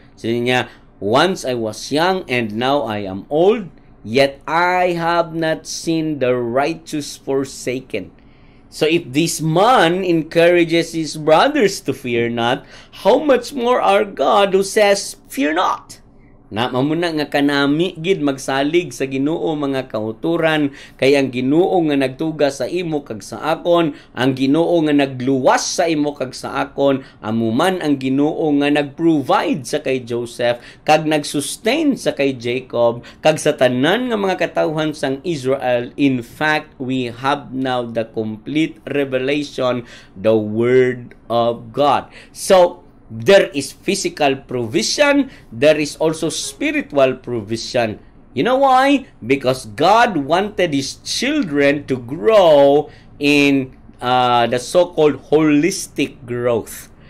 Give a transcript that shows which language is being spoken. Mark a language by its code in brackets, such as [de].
[tl] Sabi niya, [en] once I was young and now I am old, yet I have not seen the righteous forsaken. So if this man encourages his brothers to fear not, how much more our God who says, fear not? [hil] Na mamuna nga kanami gid magsalig sa Ginoo mga kauturan, kay ang Ginoo nga nagtuga sa imo kag sa akon, ang Ginoo nga nagluwas sa imo kag sa akon, amuman ang Ginoo nga nagprovide sa kay Joseph, kag nagsustain sa kay Jacob, kag sa tanan nga mga katawhan sang Israel. [en] In fact, we have now the complete revelation, the Word of God. So there is physical provision, there is also spiritual provision. You know why? Because God wanted His children to grow in the so-called holistic growth.